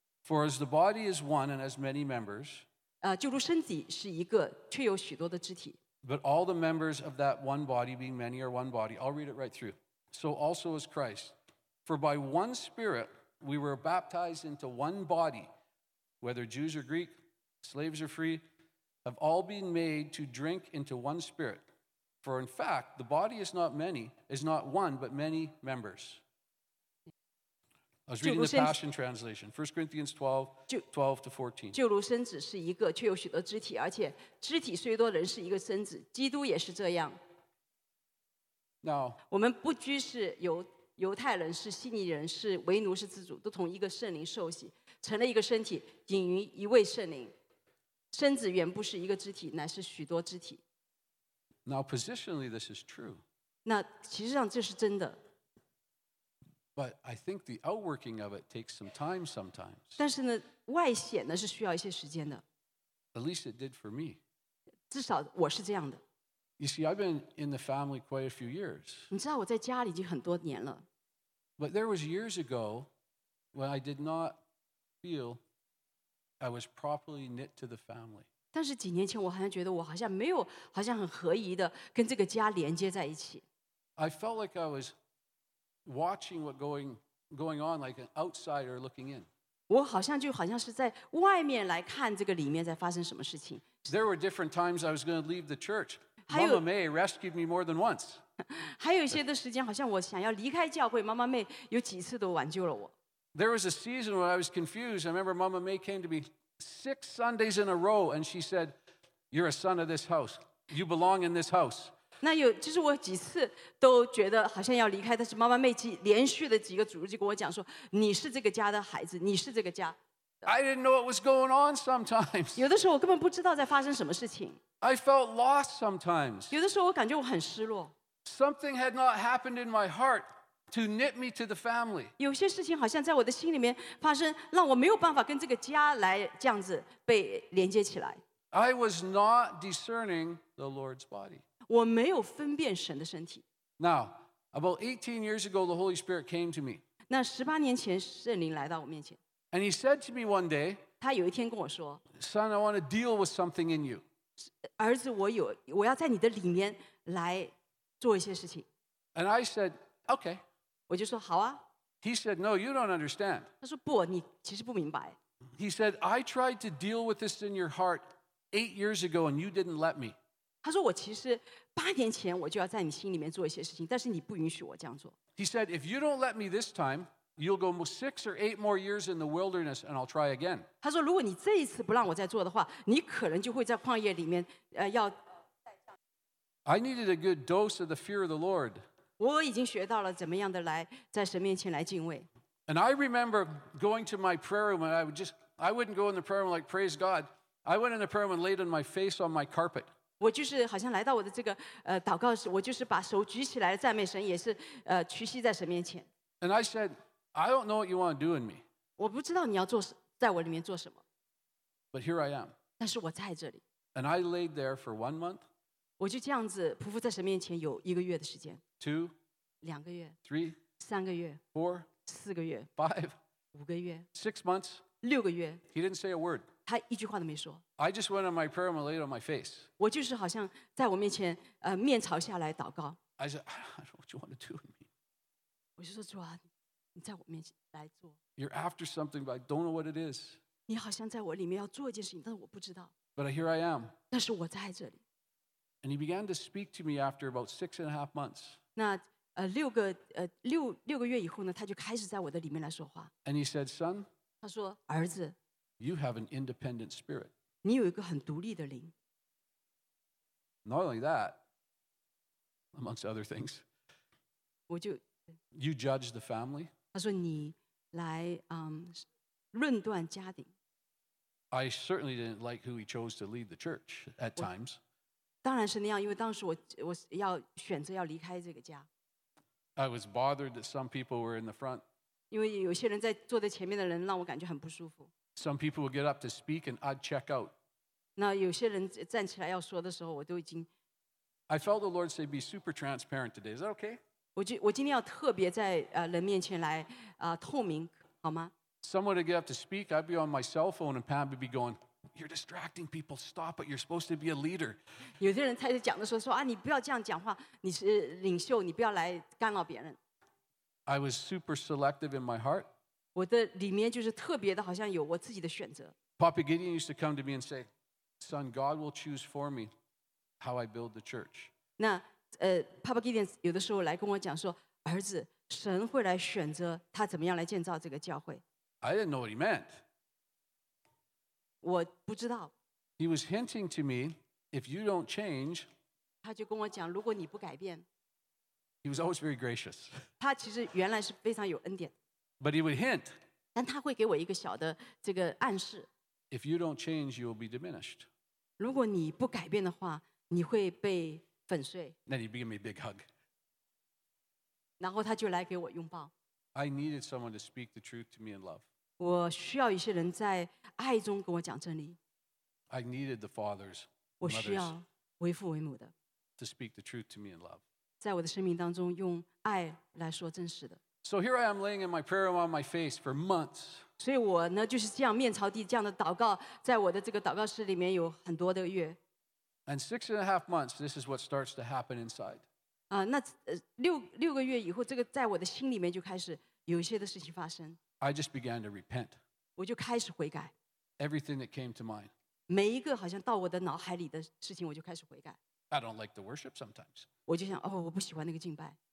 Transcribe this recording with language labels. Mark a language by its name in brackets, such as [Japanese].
[English] For as the body is one and has many members, [Chinese] 就如身体是一个，却有许多的肢体。 [English] But all the members of that one body, being many, are one body. I'll read it right through. So also is Christ. For by one Spirit we were baptized into one body, whether Jews or Greek, slaves or free, have all been made to drink into one Spirit. For in fact, the body is not many, is not one, but many members. I was reading the Passion Translation, 1 Corinthians 12:12-14. [Chinese] 就如身子是一个，却有许多肢体，而且肢体虽多，仍是一个身子。基督也是这样。 [English] Now, [Chinese] 我们不拘是犹太人，是希尼人，是为奴，是自主，都同一个圣灵受洗，成了一个身体，隐于一位圣灵。身子原不是一个肢体，乃是许多肢体。 [English] Now, positionally, this is true. [Chinese] 那其实上这是真的。 [English] But I think the outworking of it takes some time sometimes. [Chinese] 但是呢，外显呢是需要一些时间的。 [English] At least it did for me. [Chinese] 至少我是这样的。 [English] You see, I've been in the family quite a few years. [Chinese] 你知道我在家里已经很多年了。 [English] But there was years ago when I did not feel I was properly knit to the family. [Chinese] 但是几年前我好像觉得我好像没有，好像很合宜的跟这个家连接在一起。 [English] I felt like I was watching what going on like an outsider looking in. [Chinese] 我好像就好像是在外面来看这个里面在发生什么事情。 [English] There were different times I was going to leave the church. Mama May rescued me more than once. [Chinese] 还有一些的时间好像我想要离开教会，妈妈妹有几次都挽救了我。 [English] There was a season when I was confused. I remember Mama May came to me 6 Sundays in a row and she said, "You're a son of this house. You belong in this house." [Chinese] 那有就是我几次都觉得好像要离开，但是妈妈妹连续的几个主日就跟我讲说，你是这个家的孩子，你是这个家。 [English] I didn't know what was going on sometimes. [Chinese] 有的时候我根本不知道在发生什么事情。 [English] I felt lost sometimes. [Chinese] 有的时候我感觉我很失落。 [English] Something had not happened in my heart to knit me to the family. [Chinese] 有些事情好像在我的心里面发生，让我没有办法跟这个家来这样子被连接起来。 [English] I was not discerning the Lord's body. [Chinese] 我没有分辨神的身体。 [English] Now, about 18 years ago, the Holy Spirit came to me. [Chinese] 那18年前圣灵来到我面前。 [English] And he said to me one day, [Chinese] 他有一天跟我说， [English] Son, I want to deal with something in you. [Chinese] 儿子，我要在你的里面来做一些事情。 [English] And I said, okay. [Chinese] 我就说好啊。 [English] He said, no, you don't understand. [Chinese] 他说不，你其实不明白。 [English] He said, I tried to deal with this in your heart 8 years ago and you didn't let me. [Chinese] 他说我其实八年前我就要在你心里面做一些事情，但是你不允许我这样做。 [English] He said, if you don't let me this time, you'll go 6 or 8 more years in the wilderness and I'll try again. [Chinese] 他说如果你这一次不让我再做的话，你可能就会在旷野里面要。 [English] I needed a good dose of the fear of the Lord. [Chinese] 我已经学到了怎么样的来在神面前来敬畏。 [English] And I remember going to my prayer room and I wouldn't go in the prayer room like praise God. I went in the prayer room and laid on my face on my carpet. [Chinese] 我就是好像来到我的这个祷告室，我就是把手举起来赞美神，也是屈膝在神面前。 [English] And I said, I don't know what you want to do in me. [Chinese] 我不知道你要做在我里面做什么。 [English] But here I am. [Chinese] 但是我在这里。 [English] And I laid there for 1 month. [Chinese] 我就这样子匍匐在神面前有一个月的时间。 [English] 2. [Chinese] 两个月。 [English] 3. [Chinese] 三个月。 [English] 4. [Chinese] 四个月。 [English] 5. [Chinese] 五个月。 [English] 6 months. [Chinese] 六个月。 [English] He didn't say a word. [Chinese] 他一句话都没说。 [English] I just went on my prayer and laid on my face. [Chinese] 我就是好像在我面前面朝下来祷告。 [English] I said, what do you want to do in me? [Chinese] 我就说主啊。你在我面前来做。 [English] You're after something, but I don't know what it is. [Chinese] 你好像在我里面要做一件事情，但是我不知道。 [English] But here I am. [Chinese] 但是我在这里。 [English] And he began to speak to me after about 6.5 months. [Chinese] 那六个月以后呢，他就开始在我的里面来说话。 [English] And he said, "Son." [Chinese] 他说儿子 [English] You have an independent spirit. [Chinese] 你有一个很独立的灵 [English] Not only that, amongst other things, [Chinese] 我就 [English] You judge the family. [Chinese] 他说你来论断家庭 [English] I certainly didn't like who he chose to lead the church at times. [Chinese] 当然是那样，因为当时 我要选择要离开这个家。 [English] I was bothered that some people were in the front. [Chinese] 因为有些人在坐在前面的人让我感觉很不舒服。 [English] Some people would get up to speak and I'd check out. [Chinese] 那有些人站起来要说的时候，我都已经。 [English] I felt the Lord say, "Be super transparent today." Is that okay? [Chinese] 我今天要特别在人面前来透明，好吗？ [English] Someone would get up to speak, I'd be on my cell phone, and Pam would be going, "You're distracting people. Stop it. You're supposed to be a leader." [Chinese] 有些人开始讲的时候说啊，你不要这样讲话，你是领袖，你不要来干扰别人。 [English] I was super selective in my heart. [Chinese] 我的里面就是特别的，好像有我自己的选择。 [English] Papa Gideon used to come to me and say, "Son, God will choose for me how I build the church." [Chinese] 那Papa Gideon 有的时候来跟我讲说，儿子，神会来选择他怎么样来建造这个教会。 [English] I didn't know what he meant. [Chinese] 我不知道。 [English] He was hinting to me, if you don't change. [Chinese] 他就跟我讲，如果你不改变。 [English] He was always very gracious. [Chinese] 他其实原来是非常有恩典。 [English] But he would hint. [Chinese] 但他会给我一个小的这个暗示。 [English] If you don't change, you will be diminished. [Chinese] 如果你不改变的话，你会被粉碎。 [English] Then he'd give me a big hug. [Chinese] 然后他就来给我拥抱。 [English] I needed someone to speak the truth to me in love. [Chinese] 我需要一些人在爱中跟我讲真理。 [English] I needed the fathers, [Chinese] 我需要为父为母的。 [English] To speak the truth to me in love. [Chinese] 在我的生命当中用爱来说真实的。 [English] So here I am laying in my prayer room on my face for months. [Chinese] 所以我呢就是这样面朝地这样的祷告，在我的这个祷告室里面有很多的月。 [English] And 6.5 months, this is what starts to happen inside. [Chinese] 那六个月以后，这个在我的心里面就开始有一些的事情发生。 [English] I just began to repent. [Chinese] 我就开始悔改。 [English] Everything that came to mind. [Chinese] 每一个好像到我的脑海里的事情，我就开始悔改。 [English] I don't like the worship sometimes. [Chinese] 我就想，哦，我不喜欢那个敬拜。